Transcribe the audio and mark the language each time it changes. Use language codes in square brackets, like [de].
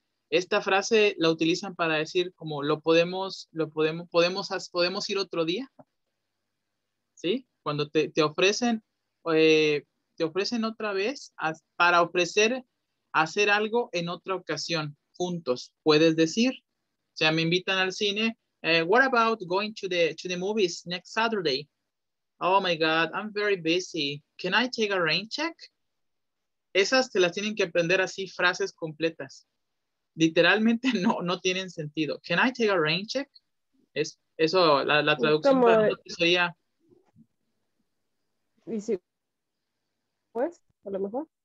[es] Esta frase la utilizan para decir, como, podemos ir otro día. ¿Sí? Cuando te ofrecen otra vez para ofrecer hacer algo en otra ocasión, juntos, puedes decir. O sea, me invitan al cine. [en] What about going to the movies next Saturday? Oh my God, I'm very busy. Can I take a rain check? [es] Esas te las tienen que aprender así, frases completas. Literalmente no tienen sentido. [en] Can I take a rain check? [es] Eso, la traducción para sería. ¿Y si? Pues, a lo mejor.